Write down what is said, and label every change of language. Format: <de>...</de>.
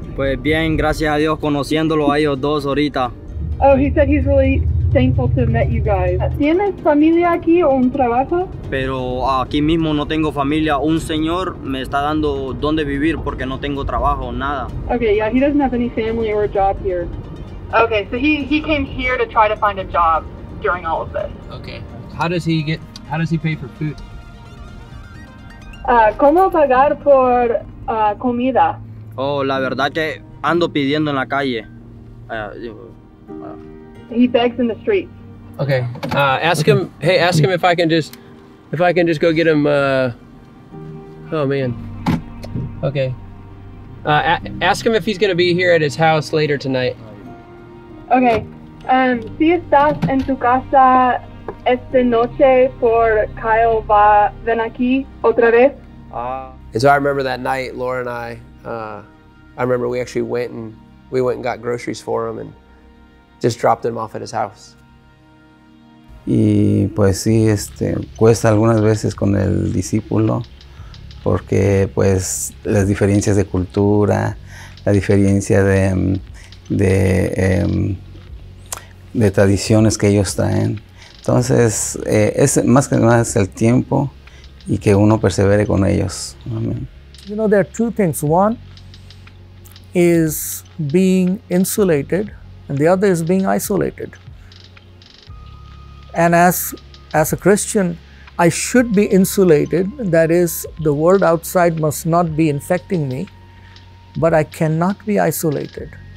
<es>Pues bien, gracias a Dios, conociéndolo a ellos dos ahorita.</es> <en>Oh, he said he's really thankful to have met you guys.</en> <es>¿Tienes familia aquí o un trabajo? Pero aquí mismo no tengo familia. Un señor me está dando dónde vivir porque no tengo trabajo, nada.</es> <en>Okay, yeah, he doesn't have any family or a job here. Okay, so he came here to try to find a job during all of this. Okay, how does he pay for food?</en> <es>¿Cómo pagar por comida? Oh, la verdad que ando pidiendo en la calle.</es> <en>He begs in the streets. Okay, ask him if I can just go get him, Okay, ask him if he's gonna be here at his house later tonight.</en> <es>Okay, si estás en tu casa esta noche por Kyle va ven aquí otra vez.</es> <en>And so I remember that night, Laura and I remember we actually went and got groceries for him and just dropped him off at his house.</en> <es>Y pues sí, cuesta algunas veces con el discípulo, porque pues las diferencias de cultura, la diferencia de tradiciones que ellos traen. Entonces, es más que nada es el tiempo y que uno persevere con ellos.</es> <en>Amen. You know, there are two things. One is being insulated, and the other is being isolated. And as a Christian, I should be insulated. That is, the world outside must not be infecting me, but I cannot be isolated.</en>